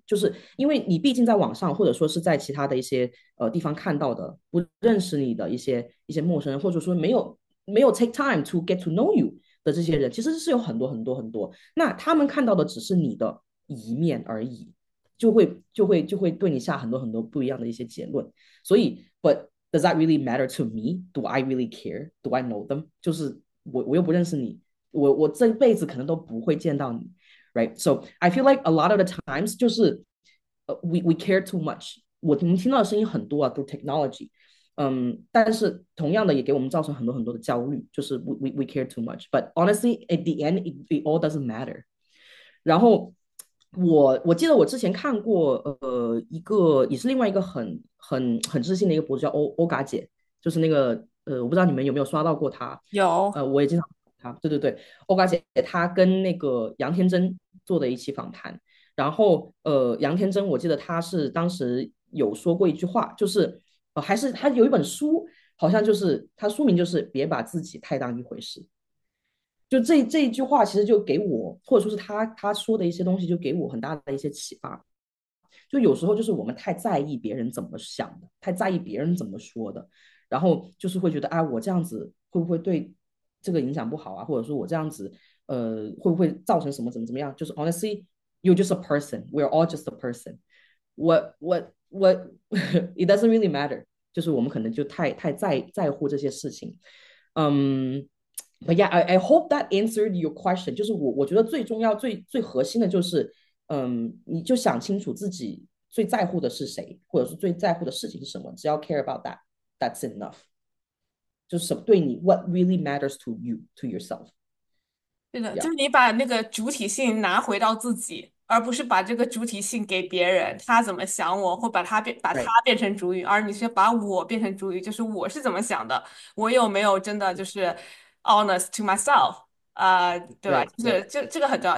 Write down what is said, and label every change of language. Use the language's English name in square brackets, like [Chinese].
[Chinese] 就是因为你毕竟在网上或者说是在其他的一些地方看到的，不认识你的一些陌生人，或者说没有 [English] take time to get to know you [Chinese] 的这些人，其实是有很多很多很多。那他们看到的只是你的一面而已，就会对你下很多很多不一样的一些结论。所以， [English] but Does that really matter to me? Do I really care? Do I know them? [Chinese] 就是我又不认识你，我这辈子可能都不会见到你，right? [English] So I feel like a lot of the times [Chinese] 就是 [English] we care too much. [Chinese] 我们听到的声音很多啊， [English] through technology， [Chinese] 但是同样的也给我们造成很多很多的焦虑，就是 [English] we care too much. But honestly, at the end, it all doesn't matter. [Chinese] 然后我记得我之前看过一个也是另外一个很知性的一个博主叫欧嘎姐，就是那个我不知道你们有没有刷到过她，有。我也经常她，对对对，欧嘎姐她跟那个杨天真做的一期访谈，然后杨天真我记得她是当时有说过一句话，就是还是她有一本书，好像就是她书名就是别把自己太当一回事，就这一句话其实就给我或者说是她说的一些东西就给我很大的一些启发。就有时候就是我们太在意别人怎么想的，太在意别人怎么说的，然后就是会觉得，哎，我这样子会不会对这个影响不好啊？或者说我这样子，会不会造成什么怎么样？就是 [English] honestly, you're just a person. We're all just a person. It doesn't really matter. [Chinese] 就是我们可能就太在乎这些事情。 [English] But yeah, I hope that answered your question. [Chinese] 就是我觉得最重要、最核心的就是。你就想清楚自己最在乎的是谁，或者是最在乎的事情是什么。只要 [English] care about that's enough。 [Chinese] 就是什么对你， [English] what really matters to you，to yourself。 [Chinese] 对的，就是你把那个主体性拿回到自己，而不是把这个主体性给别人，他怎么想我，或把他变成主语，而你是把我变成主语，就是我是怎么想的，我有没有真的就是 [English] honest to myself， [Chinese] 对吧？就是这个很重要。